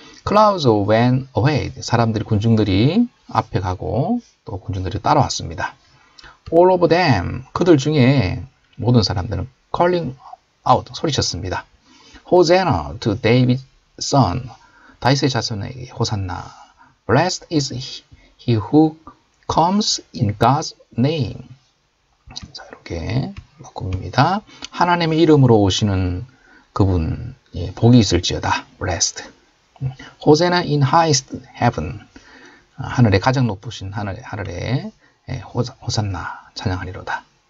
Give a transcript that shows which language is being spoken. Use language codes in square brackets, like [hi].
[en] Clouds went away. [ko] 사람들이 군중들이 앞에 가고 또 군중들이 따라왔습니다. [en] All of them [ko] 그들 중에 모든 사람들은 [en] calling out [ko] 소리쳤습니다. [en] Hosanna to David's son. [ko] 다윗의 자손에게 호산나. [en] Blessed is he who comes in God's name. [ko] 자, 이렇게. 바꿉니다. 하나님의 이름으로 오시는 그분, 예, 복이 있을지어다. [en] Blessed. Hosanna in highest heaven. [ko] 하늘에 가장 높으신 하늘에 예, 호산나 찬양하리로다.